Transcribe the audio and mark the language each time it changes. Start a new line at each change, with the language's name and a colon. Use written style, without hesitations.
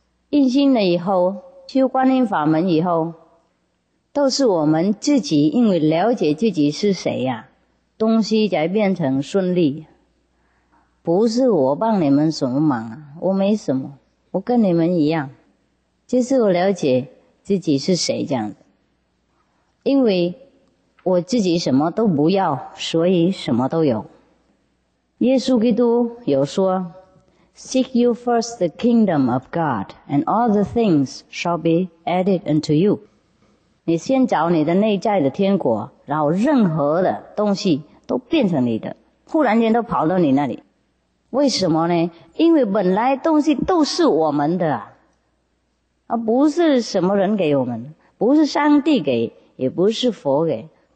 Chinese: 印心了以后，修观音法门以后，都是我们自己因为了解自己是谁啊，东西才变成顺利。不是我帮你们什么忙啊，我没什么，我跟你们一样，就是我了解自己是谁这样子。因为我自己什么都不要，所以什么都有。耶稣基督有说
English: Seek you first the kingdom of God and all the things shall be added unto you.
Chinese: 你先找你的内在的天国，然后任何的东西都变成你的，忽然间都跑到你那里。为什么呢？因为本来东西都是我们的啊，而不是什么人给我们，不是上帝给，也不是佛给。